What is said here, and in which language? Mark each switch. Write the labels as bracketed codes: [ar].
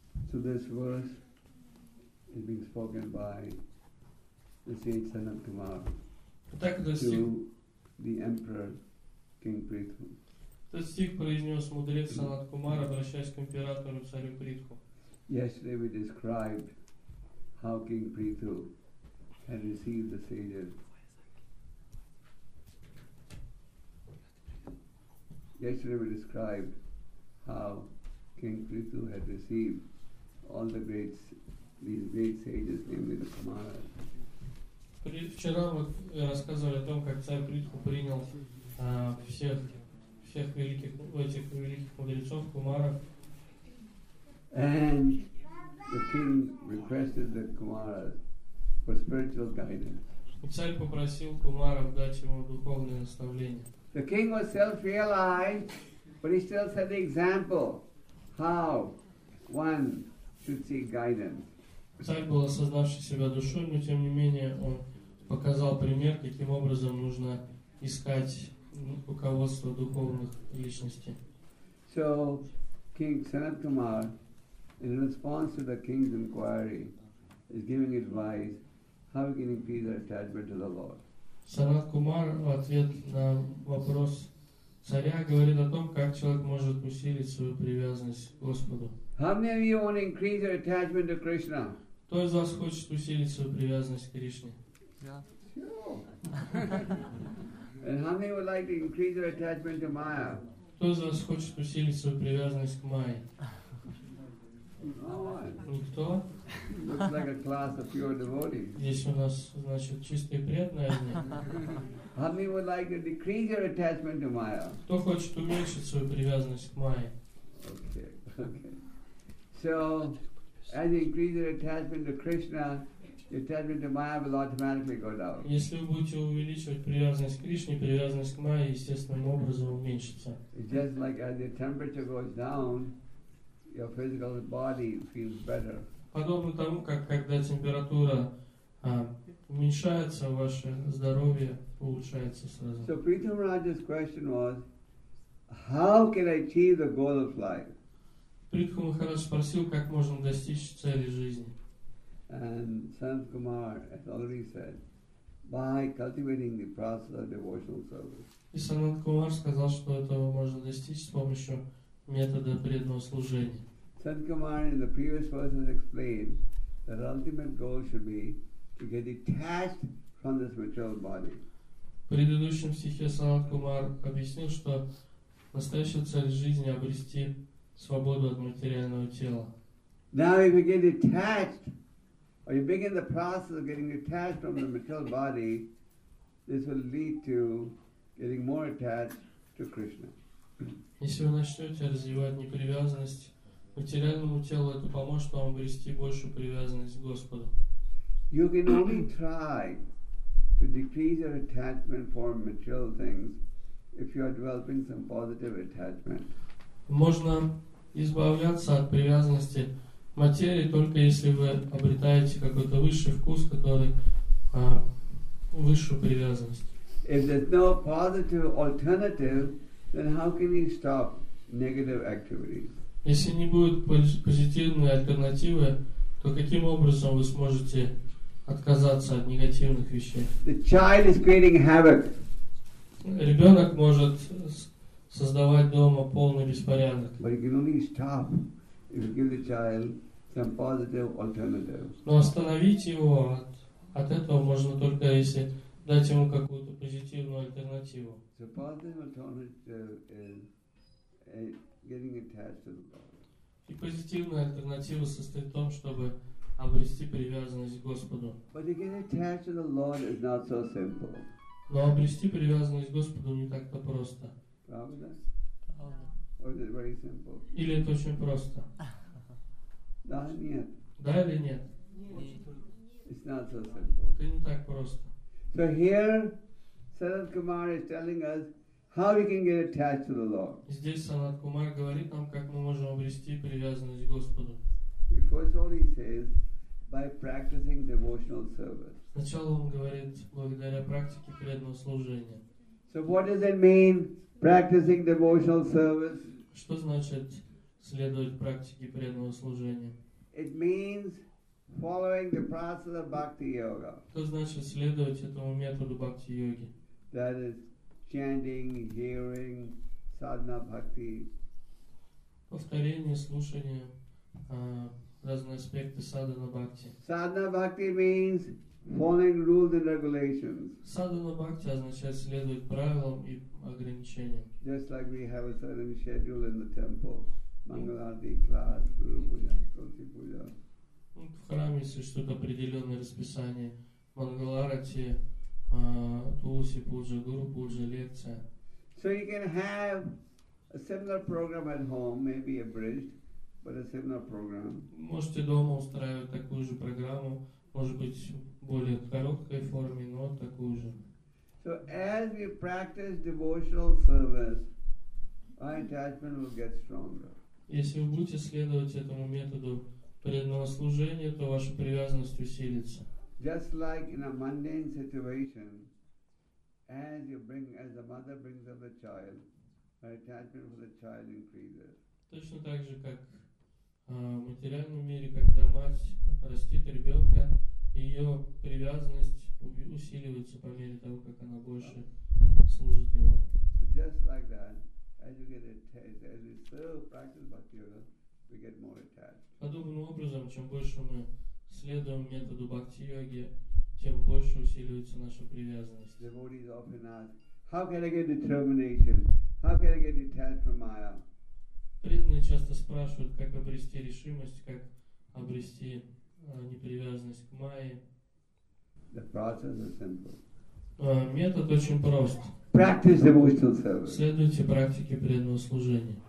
[en] So this verse is being spoken by the sage Sanat Kumar to the Emperor King Prithu. [ru] Этот стих произнес мудрец Санат Кумар, обращаясь к императору царю Притху. [en] Yesterday we described how King Prithu had received the sages. Yesterday we described how King Prithu had received all the great, these great sages, namely the Kumaras. [ru] Вчера мы рассказывали о том, как царь Притху принял всех великих этих великих мудрецов, кумаров. [en] And the king requested the kumaras for spiritual guidance. [ru] Царь попросил кумаров дать ему духовное наставление. [en] The king was self-realized, but he still set the example how one should seek guidance. [ru] Царь был осознавший себя душой, но тем не менее он показал пример, каким образом нужно искать руководство духовных личностей. [en] So King Sanat Kumar, in response to the king's inquiry, is giving advice how we can increase our attachment to the Lord. [ru] Sanat Kumar, в ответ на вопрос царя, говорит о том, как человек может усилить свою привязанность к Господу. [en] How many of you want to increase your attachment to Krishna? [ru] Кто из вас хочет усилить свою привязанность к Кришне? [en] And how many would like to increase their attachment to Maya? [ru] Кто из вас хочет усилить свою привязанность к Майе? Никто? [en] Looks like a class of pure devotees. [ru] Здесь у нас, значит, чистые преданные. [en] How many would like to decrease your attachment to Maya? [ru] Кто хочет уменьшить свою привязанность к Майе? [en] Okay. So, as you increase your attachment to Krishna, your attachment to Maya will automatically go down. [ru] Если вы будете увеличивать привязанность к Кришне, привязанность к Майе естественным образом уменьшится. [en] It's just like as your temperature goes down, your physical body feels better. [ru] Подобно тому, как когда температура уменьшается, ваше здоровье улучшается сразу. [en] So Pritam Raja's question was, how can I achieve the goal of life? [ru] Pritam Raja спросил, как можно достичь цели жизни. [en] And Sanat Kumar has already said, by cultivating the process of devotional service. [ru] И Санат Кумар сказал, что этого можно достичь с помощью метода преданного служения. [en] Sanat Kumar in the previous verses explained that the ultimate goal should be to get detached from this material body. [ru] В предыдущем стихе Санат Кумар объяснил, что настоящая цель жизни – обрести свободу от материального тела. [en] Now if you get detached, or you begin the process of getting detached from the material body, this will lead to getting more attached to Krishna. [ru] Если вы начнете развивать непривязанность к материальному телу, это поможет вам обрести большую привязанность к Господу. [en] You can only try to decrease your attachment for material things if you are developing some positive attachment. [ru] Можно избавляться от привязанности материи только если вы обретаете какой-то высший вкус, который высшую привязанность. [en] If there's no positive alternative, then how can you stop negative activities? [ru] Если не будет позитивной альтернативы, то каким образом вы сможете отказаться от негативных вещей? [en] The child is creating havoc. [ru] Ребенок может создавать дома полный беспорядок. [en] But you can only stop if you give the child some positive alternative. [ru] Но остановить его от этого можно только если дать ему какую-то позитивную альтернативу. [en] So positive alternative is getting attached to the body. [ru] И позитивная альтернатива состоит в том, чтобы обрести привязанность к Господу. [en] But to get attached to the Lord is not so simple. [ru] Но обрести привязанность к Господу не так-то просто. Правда? [en] Or is it very simple? [ru] Или это очень просто? Да или нет? Да или нет? [en] It's not so simple. [ru] Это не так просто. [en] So here, Sanat Kumar is telling us how we can get attached to the Lord. [ru] Здесь Санат Кумар говорит нам, как мы можем обрести привязанность к Господу. [en] First of all, he says, by practicing devotional service. [ru] Сначала он говорит, благодаря практике преданного служения. [en] So what does it mean, practicing devotional service? [ru] Что значит следовать практике преданного служения? [en] It means following the process of bhakti yoga. [ru] Что значит следовать этому методу бхакти йоги? [en] That is chanting, hearing, sadhana bhakti. [ru] Повторение, слушание, разные аспекты садхана бхакти. [en] Sadhana bhakti means following rules and regulations. [ru] Садхана бхакти означает следовать правилам и ограничениям. [en] Just like we have a certain schedule in the temple. Mangalarti class, Guru Puja, Tulsi Puja. [ru] В храме существует определенное расписание. Мангаларати, Тулси Пуджа, Гуру Пуджа, лекция. [en] So you can have a similar program at home, maybe abridged, but a similar program. [ru] Можете дома устраивать такую же программу, может быть, более короткой форме, но такую же. [en] So as we practice devotional service, our attachment will get stronger. [ru] Если вы будете следовать этому методу преданного служения, то ваша привязанность усилится. [en] Just like in a mundane situation, as you bring, as the mother brings up the child, her attachment for the child increases. [ru] Точно так же, как в материальном мире, когда мать растит ребенка, ее привязанность усиливается по мере того, как она больше служит ему. [en] So just like that, as you get attached, as we still practice bhakti yoga, we get more attached. [ru] Подобным образом, чем больше мы следуем методу бхакти-йоги, тем больше усиливается наша привязанность. [en] Devotees often ask, how can I get determination? How can I get detached from Maya? [ru] Преданные часто спрашивают, как обрести решимость, как обрести непривязанность к Майе. [en] The process is simple. [ru] Метод очень прост. [en] Practice devotional service. [ru] Следуйте практике преданного служения.